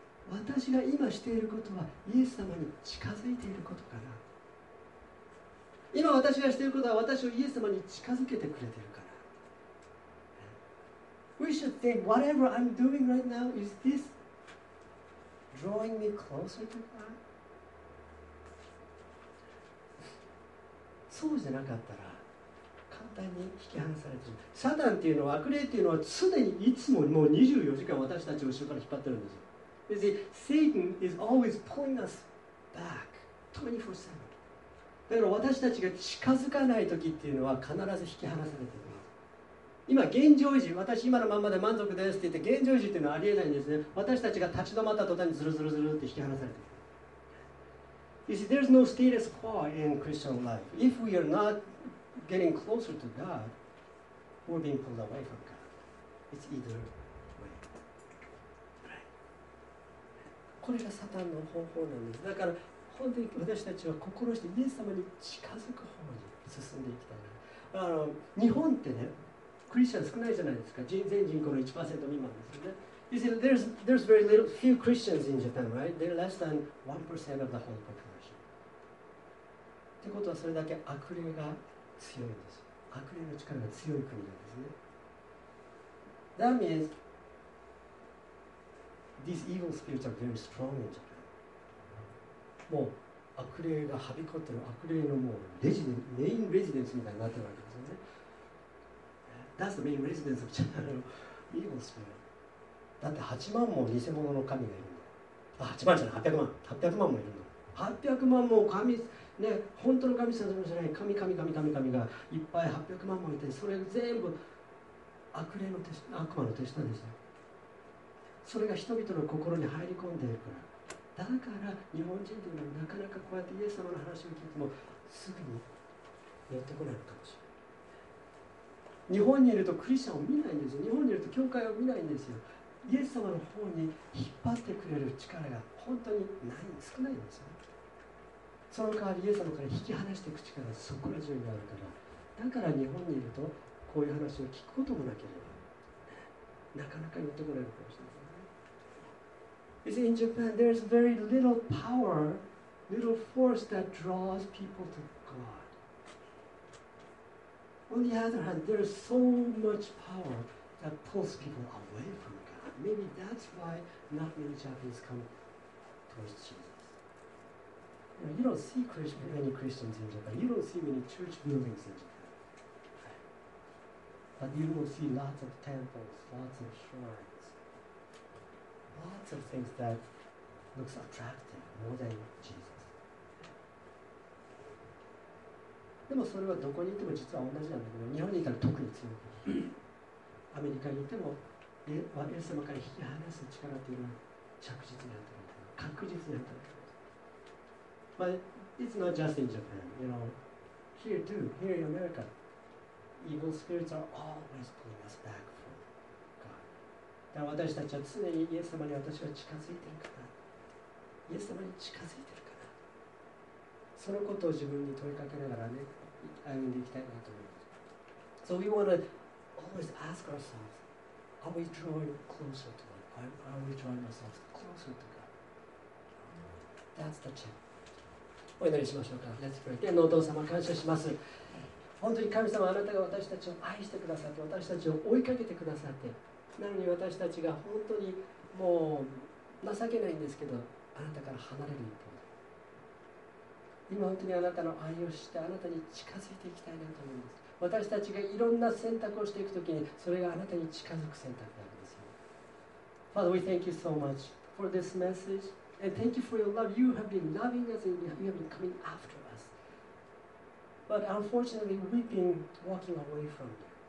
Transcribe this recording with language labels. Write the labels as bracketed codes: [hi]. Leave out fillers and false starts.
[ja] 私が今していることはイエス様に近づいていることかな。今私がしていることは私をイエス様に近づけてくれているかな。 [en] We should think whatever I'm doing right now, is this drawing me closer to God? [ja] そうじゃなかったら簡単に引き離されてしまう。サタンっていうのは、悪霊っていうのは常にいつももう24時間私たちを後ろから引っ張ってるんですよ。 [en] You see, Satan is always pulling us back 24/7。 [ja] だから私たちが近づかない時っていうのは必ず引き離されてる。今現状維持、私今のままで満足ですって言って現状維持っていうのはありえないんですね。私たちが立ち止まった途端にズルズルズルって引き離されてる。 [en] You see, there's no status quo in Christian life. If we are notgetting closer to God or being pulled away from God. It's either way. [ja] これがサタンの方法なんです。だから本当に私たちは心してイエス様に近づく方に進んでいきたいな。あの日本ってね、クリスチャン少ないじゃないですか。全人口の 1% 未満ですよね。 [en] You see, there's very little, few Christians in Japan, right? They're less than 1% of the whole population. [ja] ってことはそれだけ悪霊が強いんです。悪霊の力が強い国なんですね。 [en] That means these evil spirits are very strong in Japan. [ja] もう悪霊がはびこってる、悪霊のもうレジデンメインレジデンスみたいになってるわけですよね。 [en] That's the main residence of Japan. Evil spirit. [ja] だって8万も偽物の神がいるんだ。あ、8万じゃない、800万、800万もいるんだ。 800万も神ね、本当の神様じゃない、神神神神神がいっぱい800万もいて、それ全部悪霊の手、悪魔の手下ですよ。それが人々の心に入り込んでいるから、だから日本人というのはなかなかこうやってイエス様の話を聞いてもすぐに寄ってこないのかもしれない。日本にいるとクリスチャンを見ないんですよ。日本にいると教会を見ないんですよ。イエス様の方に引っ張ってくれる力が本当にない、少ないんですよ。その代わりイエス様から引き離していく力がそこら中にあるから、だから日本にいるとこういう話を聞くこともなければなかなか言ってこないのかもしれません。 [en] You see, in Japan there is very little power, little force that draws people to God. On the other hand, there is so much power that pulls people away from God. Maybe that's why not many Japanese come towards Jesus. You don't see many Christians in Japan. You don't see many church buildings in Japan. But you will see lots of temples, lots of shrines, lots of things that looks attractive more than Jesus. [ja] でもそれはどこにいても実は同じなんだけど、日本にいたら特に強く、アメリカにいてもイエス様から引き離す力というのは着実にあったり、確実にあったり。 [en] But it's not just in Japan, you know. Here too, here in America, evil spirits are always pulling us back from God. [ja] だから私たちは常にイエス様に私は近づいてるかな。イエス様に近づいてるかな。そのことを自分に問いかけながらね、歩んでいきたいなと思います。 [en] So we want to always ask ourselves, are we drawing closer to God? Are we drawing ourselves closer to God? That's the check. [ja] お祈りしましょうか。 [en] Let's pray. [ja] 天のお父様、感謝します。本当に神様、あなたが私たちを愛してくださって、私たちを追いかけてくださって、なのに私たちが本当にもう情けないんですけど、あなたから離れる一方で、今本当にあなたの愛を知って、あなたに近づいていきたいなと思います。私たちがいろんな選択をしていくときに、それがあなたに近づく選択なんですよ。 [en] Father, we thank you so much for this message. And thank you for your love. You have been loving us and you have been coming after us. But unfortunately, we've been walking away from you.